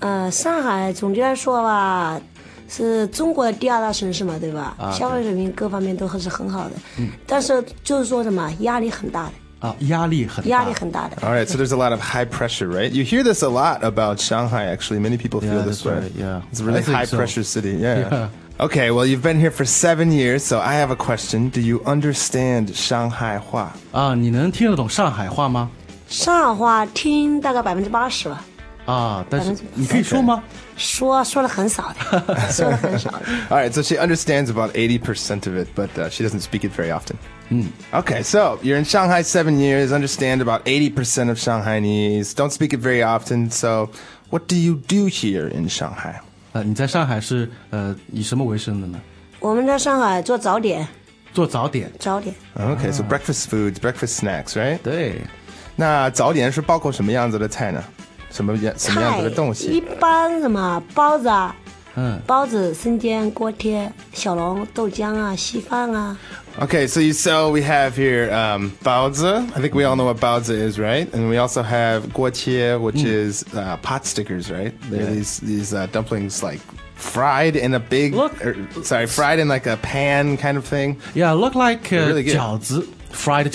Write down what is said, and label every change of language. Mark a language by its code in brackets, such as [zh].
[zh] 上海总结来说吧, 是中国第二大城市嘛, 对吧? 消费水平各方面都是很好的。但是就是说什么, 压力很大的。压力很大的 [en] All right, so there's a lot of high pressure, right? You hear this a lot about Shanghai, actually. Many people feel this way. Right, yeah. It's a really high pressure city. Yeah. Okay, well, you've been here for 7 years, so I have a question. Do you understand Shanghai 话? [zh] 你能听得懂上海话吗? 上海话听大概 80% 吧。但是你可以说吗? 说得很少的。说得很少的。 [en] All right, so she understands about 80% of it, but she doesn't speak it very often. Okay, so you're in Shanghai 7 years, understand about 80% of Shanghainese, don't speak it very often, so what do you do here in Shanghai? [zh] 你在上海是以什么为生的呢？我们在上海做早点。做早点。早点。 [en] Okay, so breakfast foods, breakfast snacks, right? [zh] 对。那早点是包括什么样子的菜呢？什么样子的东西？一般什么包子啊？包子、生煎、锅贴、小笼、豆浆啊、稀饭啊。 [en] Okay, so we have here baozi. I think we all know what baozi is, right? And we also have guoqie, which is pot stickers, right? They're these dumplings like fried in a big... fried in like a pan kind of thing. Yeah, look like jiaozi, fried jiaozi.